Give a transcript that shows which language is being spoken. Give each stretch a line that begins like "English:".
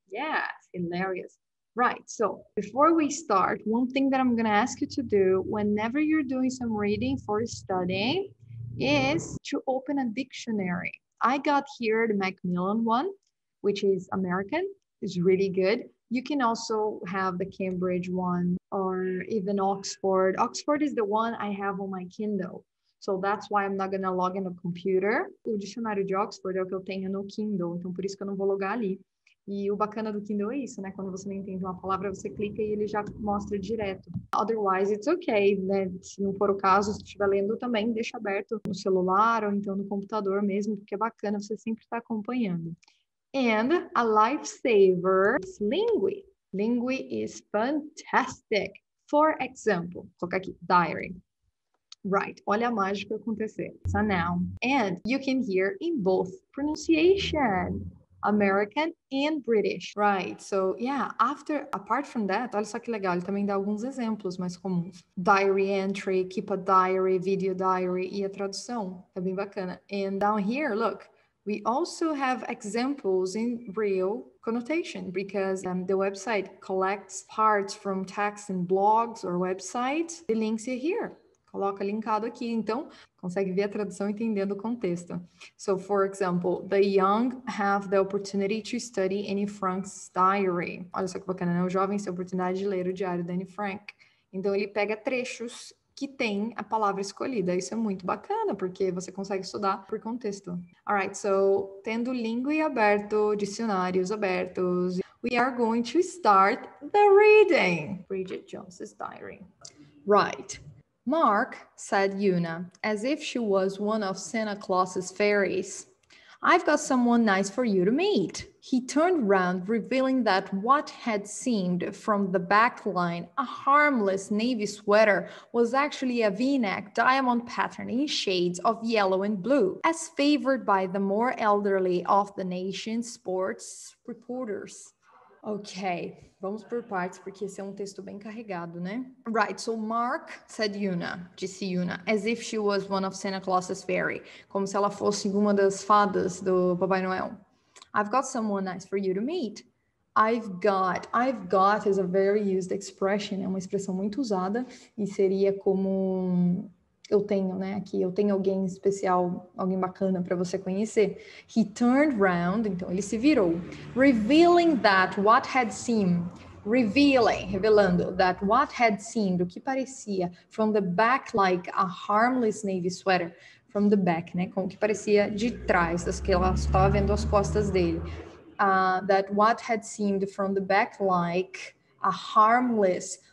English: Yeah, hilarious. Right, so before we start, one thing that I'm going to ask you to do whenever you're doing some reading for studying is to open a dictionary. I got here the Macmillan one, which is American, is really good. You can also have the Cambridge one or even Oxford. Oxford is the one I have on my Kindle. So that's why I'm not going to log in a computer.
Portuguese: O dicionário de Oxford é o que eu tenho no Kindle, então por isso que eu não vou logar ali. E o bacana do Kindle é isso, né? Quando você não entende uma palavra, você clica e ele já mostra direto.
English: Otherwise, it's okay,
Portuguese: né? Se não for o caso, se estiver lendo também, deixa aberto no celular ou então no computador mesmo, porque é bacana, você sempre está acompanhando.
English: And a lifesaver is Lingui. Lingui is fantastic. For example,
Portuguese: vou colocar aqui,
English: diary. Right,
Portuguese: olha a mágica acontecer.
English: It's a noun. And you can hear in both pronunciation. American and British, right? So, yeah, after, apart from that,
Portuguese: olha só que legal, ele também dá alguns exemplos mais comuns.
English: Diary entry, keep a diary, video diary,
Portuguese: e a tradução, é bem bacana.
English: And down here, look, we also have examples in real connotation, because the website collects parts from texts and blogs or websites. The links are here.
Portuguese: Coloca linkado aqui, então consegue ver a tradução entendendo o contexto.
English: So, for example, the young have the opportunity to study Anne Frank's diary.
Portuguese: Olha só que bacana, né? O jovem tem a oportunidade de ler o diário da Anne Frank. Então, ele pega trechos que tem a palavra escolhida. Isso é muito bacana, porque você consegue estudar por contexto.
English: All right, so,
Portuguese: tendo língua aberto, dicionários abertos,
English: we are going to start the reading. Bridget Jones's Diary. Right. Mark, said Una, as if she was one of Santa Claus's fairies. I've got someone nice for you to meet. He turned round, revealing that what had seemed from the back line a harmless navy sweater was actually a V-neck diamond pattern in shades of yellow and blue, as favored by the more elderly of the nation's sports reporters.
Portuguese: Ok, vamos por partes, porque esse é um texto bem carregado, né?
English: Right, so Mark, said Una,
Portuguese: disse Una,
English: as if she was one of Santa Claus's fairy,
Portuguese: como se ela fosse uma das fadas do Papai Noel.
English: I've got someone nice for you to meet. I've got is a very used expression,
Portuguese: é uma expressão muito usada, e seria como eu tenho, né, aqui, eu tenho alguém especial, alguém bacana para você conhecer.
English: He turned round,
Portuguese: então ele se virou,
English: revealing that what had seemed,
Portuguese: revelando
English: that what had seemed,
Portuguese: o que parecia,
English: from the back like a harmless navy sweater, from the back,
Portuguese: né, como que parecia de trás, das que ela estava vendo as costas dele,
English: that what had seemed from the back like a harmless.